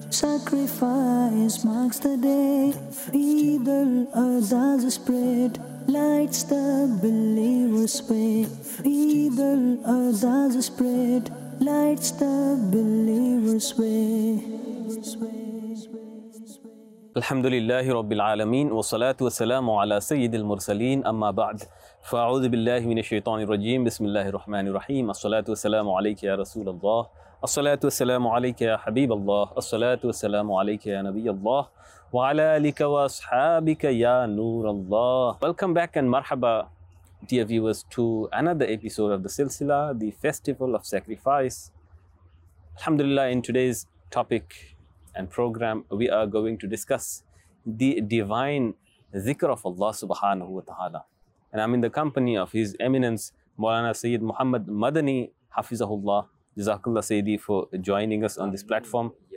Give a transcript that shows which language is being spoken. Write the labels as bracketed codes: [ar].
[en] Sacrifice marks the day. Feeble earth as a spread. Lights the believer's way. Feeble earth as a spread. Lights the believer's way. [ar] الحمد لله رب العالمين والصلاة والسلام على سيد المرسلين أما بعد فأعوذ بالله من الشيطان الرجيم بسم الله الرحمن الرحيم الصلاة والسلام عليك يا رسول الله الصلاة والسلام عليك يا حبيب الله الصلاة والسلام عليك يا نبي الله وعلى آلك وأصحابك يا نور الله [en] Welcome back and [ar] مرحبا [en] dear viewers to another episode of the Silsila, the Festival of Sacrifice. Alhamdulillah, in today's topic and program, we are going to discuss the divine dhikr of Allah subhanahu wa ta'ala. And I'm in the company of His Eminence, Mawlana Sayyid Muhammad Madani, Hafizahullah, Jazakallah Sayyidi, for joining us on this platform.